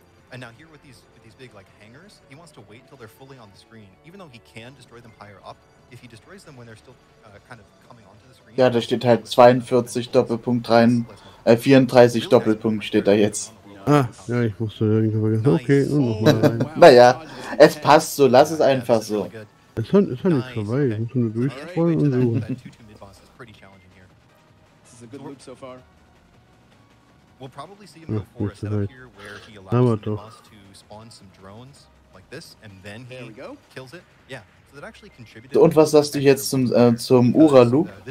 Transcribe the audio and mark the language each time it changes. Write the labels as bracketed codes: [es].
[en] And now here with these big like hangers, he wants to wait till they're fully on the screen, even though he can destroy them higher up. If he destroys them when they're still kind of coming onto the screen. [de] Ja, da steht halt 42 Doppelpunkt rein, 34 Doppelpunkt steht da jetzt. Ah, ja, ich musste irgendwie vergessen. Okay, nur noch mal rein. Naja, es passt so, lass es einfach so. Es ist ja nicht vorbei, ich muss nur durchrollen und suchen. [en] We'll probably see him go for a setup here where he allows the boss to spawn some drones like this and then he kills it. Yeah. So that actually contributed. [de] Und was hast du jetzt zum Ura-Loop?